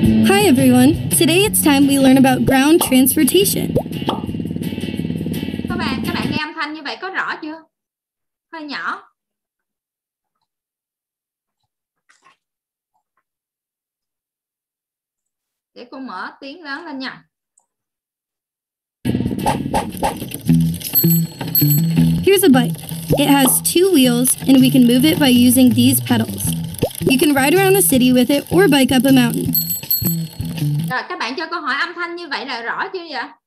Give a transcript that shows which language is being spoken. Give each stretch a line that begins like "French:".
English: Hi everyone, today it's time we learn about ground transportation.
Vietnamese: Các bạn nghe âm thanh như vậy có rõ chưa? Hơi nhỏ. Để cô mở tiếng lớn lên nha.
English: Here's a bike. It has two wheels and we can move it by using these pedals. You can ride around the city with it or bike up a mountain.
Vietnamese: Rồi, các bạn cho câu hỏi âm thanh như vậy là rõ chưa vậy?